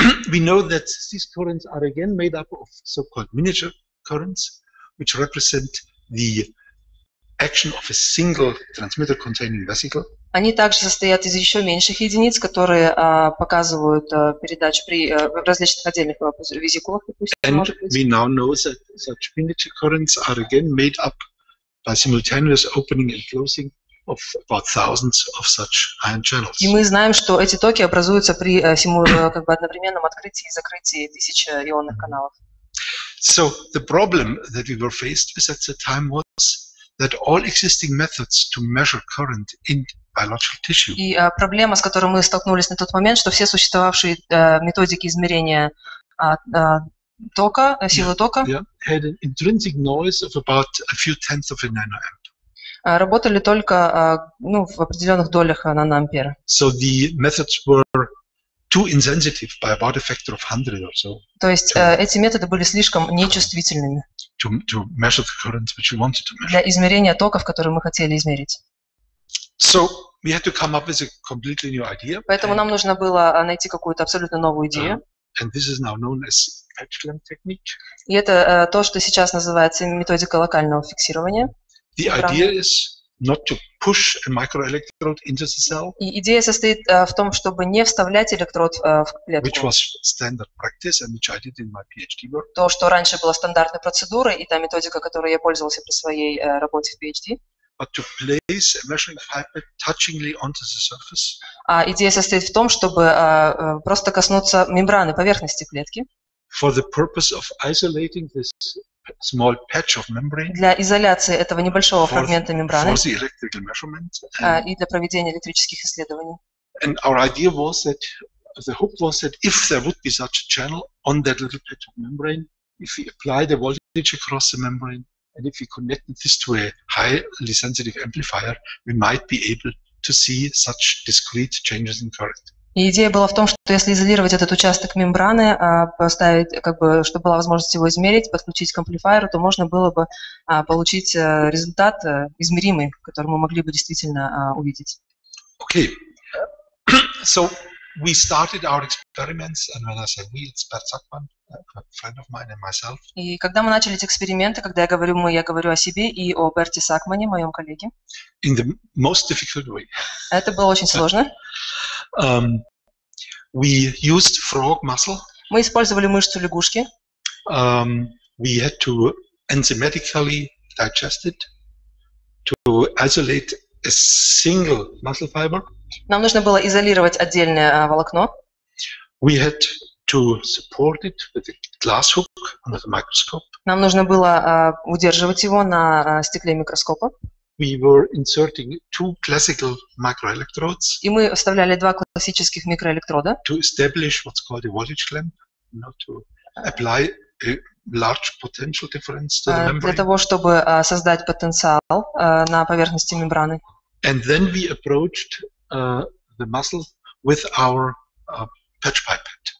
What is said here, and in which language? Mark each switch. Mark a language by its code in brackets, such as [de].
[en] We know that these currents are again made up of so-called miniature currents, which represent the action of a single transmitter-containing vesicle. [ru] Они также состоят из еще меньших единиц, которые показывают передачу при различных отдельных везикулах, допустим. [en] And we now know that such miniature currents are again made up by simultaneous opening and closing of about thousands of such ion channels. [ru] И мы знаем, что эти токи образуются при как бы одновременном открытии и закрытии тысяч ионных каналов. [en] So the problem that we were faced with at the time was that all existing methods to measure current in biological tissue. [ru] И проблема, с которой мы столкнулись на тот момент, что все существовавшие методики измерения тока, силы тока, [en] had an intrinsic noise of about a few tenths of a nanoamp. [ru] Работали только в определенных долях наноампера. [en] So the methods were too insensitive by about a factor of 100 or so. [ru] То есть эти методы были слишком нечувствительными. [en] To measure the currents which we wanted to measure. [ru] Для измерения токов, которые мы хотели измерить. [en] So we had to come up with a completely new idea. [ru] Поэтому нам нужно было найти какую-то абсолютно новую идею. [en] And this is now known as patch clamp technique. [ru] И это то, что сейчас называется методика локального фиксирования. [en] The idea is not to push a microelectrode into the cell. [ru] И идея состоит в том, чтобы не вставлять электрод в клетку. [en] Which was standard practice and which I did in my PhD work. [ru] То, что раньше было стандартной процедурой и та методика, которой я пользовался при своей работе в PhD. [en] But to place a measuring pipette touchingly onto the surface. [ru] А идея состоит в том, чтобы просто коснуться мембраны поверхности клетки. [en] For the purpose of isolating this small patch of membrane. [ru] Для изоляции этого небольшого фрагмента мембраны. [en] For the electrical measurement. [ru] И для проведения электрических исследований. [en] And our idea was that the hope was that if there would be such a channel on that little patch of membrane, if we apply the voltage across the membrane, and if we connected this to a highly sensitive amplifier, we might be able to see such discrete changes in current. [ru] И идея была в том, что если изолировать этот участок мембраны, поставить, как бы, чтобы была возможность его измерить, подключить к амплифайеру, то можно было бы получить результат измеримый, который мы могли бы действительно увидеть. [en] Okay. So we started our experiments, and when I say we, it's Bert Zuckmann, a friend of mine and myself. [ru] И когда мы начали эти эксперименты, когда я говорю «мы», я говорю о себе и о Берте Сакмане, моем коллеге. [en] In the most difficult way. [ru] Это было очень сложно. [en] We used frog muscle. [ru] Мы использовали мышцу лягушки. [en] We had to enzymatically digest it to isolate a single muscle fiber. [ru] Нам нужно было изолировать отдельное волокно. [en] We had to support it with a glass hook under the microscope. [ru] Нам нужно было удерживать его на стекле микроскопа. [en] We were inserting two classical microelectrodes. [ru] И мы вставляли два классических микроэлектрода. [en] To establish what's called a voltage clamp, not to apply a large potential difference to the membrane. [ru] Для того, чтобы создать потенциал на поверхности мембраны. [en] And then we approached the muscle with our patch pipette.